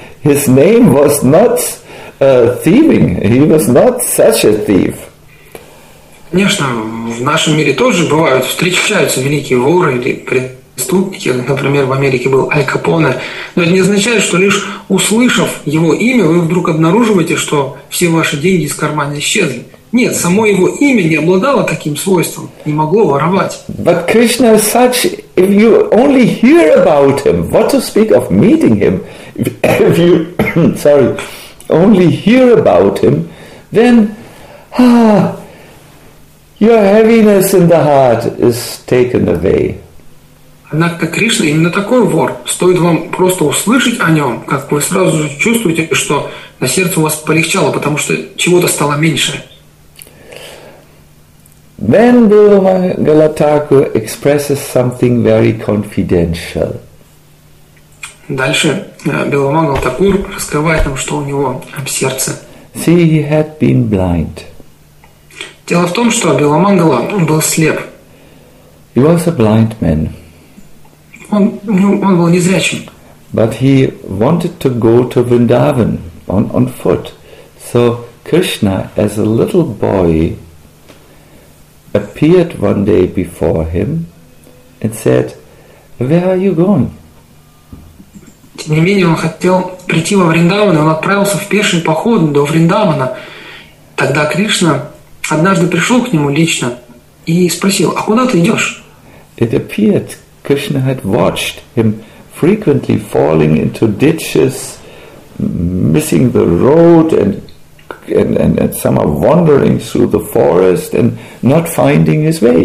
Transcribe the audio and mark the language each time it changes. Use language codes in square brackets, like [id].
[en] His name was not thieving, he was not such a thief. [ru] Конечно, в нашем мире тоже бывают, встречаются великие воры или преступники, например, в Америке был Аль Капоне, но это не означает, что лишь услышав его имя, вы вдруг обнаруживаете, что все ваши деньги из кармана исчезли. Нет, само его имя не обладало таким свойством, не могло воровать. [en] But Krishna is such, if you only hear about him, what to speak of meeting him, if you, sorry, only hear about him, then, your heaviness in the heart is taken away. [ru] Однако Кришна именно такой вор. Стоит вам просто услышать о нем, как вы сразу же чувствуете, что на сердце у вас полегчало, потому что чего-то стало меньше. [en] Then Guru Mangala Thakur expresses something very confidential. [ru] Дальше Беломангал Такур раскрывает нам, что у него в сердце. [en] See, he had been blind. [ru] Дело в том, что Беломангала был слеп. [en] He was a blind man. [ru] Он был незрячим. [en] But he wanted to go to Vrindavan on foot. So Krishna, as a little boy, appeared one day before him and said, "Where are you going?" [ru] Тем не менее, он хотел прийти во Вриндаван, и он отправился в пеший поход до Вриндавана. Тогда Кришна однажды пришел к нему лично и спросил, «А куда ты идешь?» [en] It appeared Krishna had watched him frequently falling into ditches, missing the road, and somehow wandering through the forest and not finding his way.